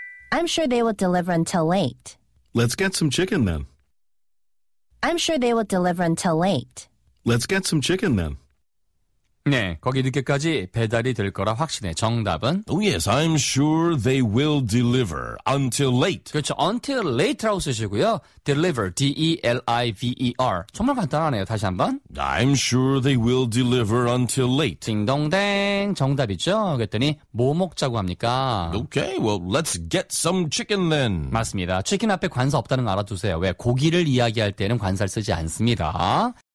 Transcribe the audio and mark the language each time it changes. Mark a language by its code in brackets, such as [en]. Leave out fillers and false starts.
[en] I'm sure they will deliver until late. Let's get some chicken then. I'm sure they will deliver until late. Let's get some chicken then. [ko] 네, 거기 늦게까지 배달이 될 거라 확신해. 정답은? [en] Oh yes, I'm sure they will deliver until late. [ko] 그렇죠, [en] until late [ko] 라고 쓰시고요. [en] Deliver, D-E-L-I-V-E-R. [ko] 정말 간단하네요, 다시 한번. [en] I'm sure they will deliver until late. [ko] 딩동댕, 정답이죠? 그랬더니 뭐 먹자고 합니까? [en] Okay, well, let's get some chicken then. [ko] 맞습니다, 치킨 앞에 관사 없다는 거 알아두세요. 왜 고기를 이야기할 때는 관사를 쓰지 않습니다.